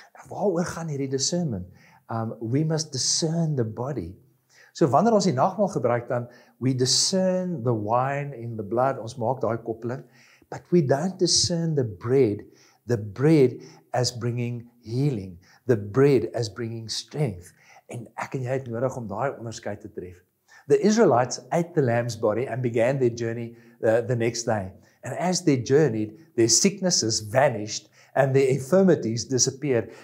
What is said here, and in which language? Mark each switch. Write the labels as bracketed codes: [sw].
[af] Waaroor gaan hierdie [en] discernment? We must discern the body. [af] So wanneer ons die nagmaal gebruik dan [en] we discern the wine in the blood, [af] ons maak daai koppeling. [en] But we don't discern the bread as bringing healing, the bread as bringing strength. [af] En ek en jy het nodig om daai onderskeid te tref. [en] The Israelites ate the lamb's body and began their journey the next day. And as they journeyed, their sicknesses vanished and their infirmities disappeared.